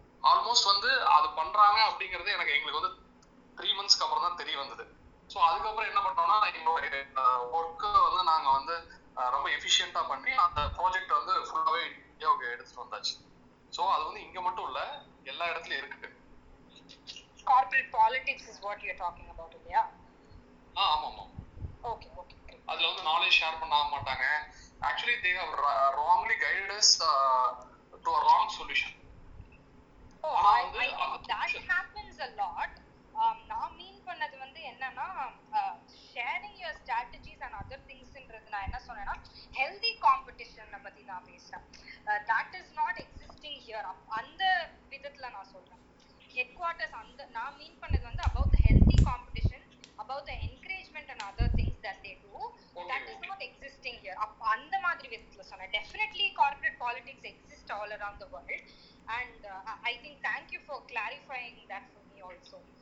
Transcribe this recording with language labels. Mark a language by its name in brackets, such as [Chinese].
[Tamil] Almost வந்து அது பண்ணுறாங்க அப்படிங்கிறது எனக்கு எங்களுக்கு வந்து 3 மந்த்ஸ்க்கு அப்புறம் தான் தெரிய வந்தது. ஸோ அதுக்கப்புறம் என்ன பண்ணோம்னா, எங்களுடைய ஒர்க்கை வந்து நாங்கள் வந்து ரொம்ப எஃபிஷியண்டாக பண்ணி அந்த ப்ராஜெக்ட் வந்து ஃபுல்லாகவே இந்தியாவுக்கு எடுத்துகிட்டு வந்தாச்சு. ஸோ அது வந்து இங்கே மட்டும் இல்லை, எல்லா இடத்துலையும் இருக்குது. [English] Corporate politics is what you're talking about, yeah? Okay. [Tamil] அதுல வந்து knowledge share பண்ணாம மாட்டாங்க. [English] Actually, they have wrongly guided us to a wrong solution. That happens a lot. [Tamil] நான் மீன் பண்ணது வந்து என்னன்னா, [English] sharing your strategies and other things [Tamil] ன்றது நான் என்ன சொன்னேன்னா, healthy competition பத்தி நான் பேசுறேன். [English] That is not existing here. [Tamil] அந்த விதத்துல நான் சொல்றேன். [English] Headquarters, and now [Tamil] mean pannadhu vandu [English] about the healthy competition, about the encouragement and other things that they do, that is not existing here. [Tamil] Appa andha maadhiri vidhathula sonna, [English] definitely corporate politics exist all around the world, and I think thank you for clarifying that for me also.